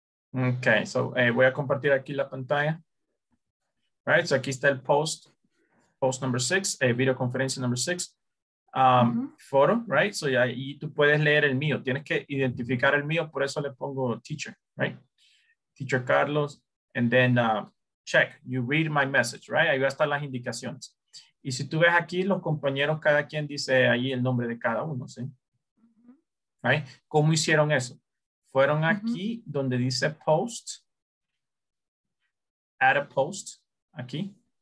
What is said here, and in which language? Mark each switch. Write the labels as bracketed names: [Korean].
[Spanish] Ok, so, voy a compartir aquí la pantalla. Right, so aquí está el post, post number 6, videoconferencia number 6, foro, right? So ya ahí tú puedes leer el mío, tienes que identificar el mío, por eso le pongo teacher, right? [English] Teacher Carlos, and then check, you read my message, right? [Spanish] Ahí va a estar las indicaciones. Y si tú ves aquí, los compañeros, cada quien dice ahí el nombre de cada uno, ¿sí? Right? ¿Cómo hicieron eso? Fueron aquí donde dice post, add a post, aquí.